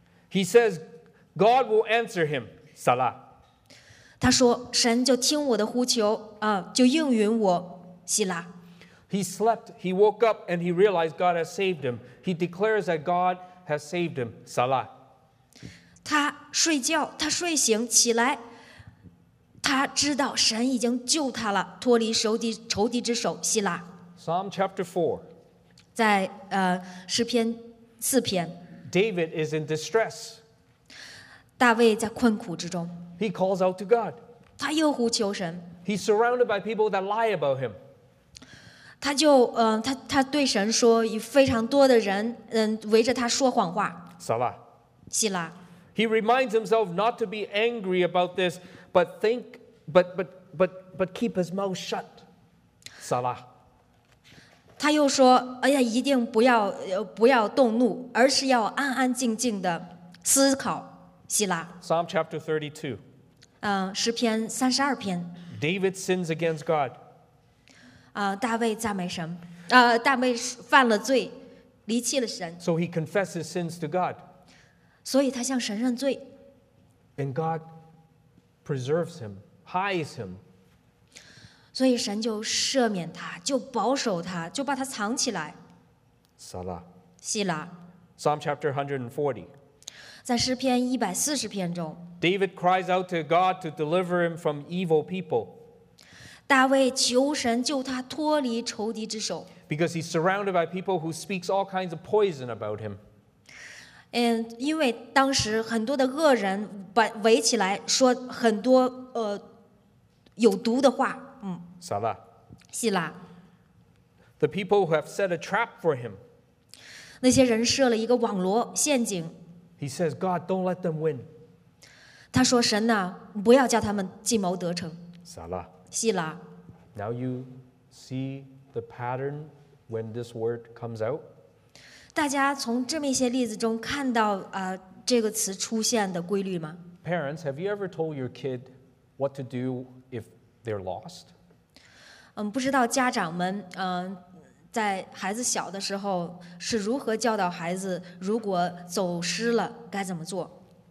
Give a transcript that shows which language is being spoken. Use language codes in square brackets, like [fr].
[en] He says, God will answer him. Salah. [zh] 他说神就听我的呼求，就应允我，希拉。 [en] He slept, he woke up, and he realized God has saved him. He declares that God has saved him. Salah. [zh] 他睡觉，他睡醒，起来，他知道神已经救他了，脱离仇敌之手，希拉。 [en] Psalm chapter 4. [zh] 在诗篇四篇， [en] David is in distress. [zh] 大卫在困苦之中。 [en] He calls out to God. [zh] 他又呼求神。 [en] He's surrounded by people that lie about him. [zh] 他就他对神说，有非常多的人围着他说谎话。 [en] Salah. [zh] 希拉。 [en] He reminds himself not to be angry about this, but think, but keep his mouth shut. Salah. [zh] 他又说，哎呀，一定不要动怒，而是要安安静静的思考，希拉。 [en] Psalm chapter 32. [zh] 诗篇三十二篇。 [en] David sins against God. [zh] 大卫赞美神，大卫犯了罪，离弃了神。 [en] So he confesses sins to God. [zh] 所以他向神认罪。 [en] And God preserves him, hides him. [zh] 所以神就赦免他，就保守他，就把他藏起来。 [en] Salah. [zh] 希拉。 [en] Psalm chapter 140. [zh] 在诗篇140篇中， [en] David cries out to God to deliver him from evil people. [zh] 大卫求神救他脱离仇敌之手。 [en] Because he's surrounded by people who speaks all kinds of poison about him. [zh] 因为当时很多的恶人围起来说很多有毒的话。 [en] Salah. [zh] 希拉。 [en] The people who have set a trap for him. [zh] 那些人设了一个网罗陷阱。 [en] He says, God, don't let them win. [zh] 他说神呐，不要叫他们计谋得逞。 [en] Salah. [zh] 希拉。 [en] Now you see the pattern when this word comes out. [zh] 大家从这么一些例子中看到这个词出现的规律吗？ [en] Parents, have you ever told your kid what to do if they're lost? [zh] 不知道家长们在孩子小的时候是如何教导孩子如果走失了该怎么做。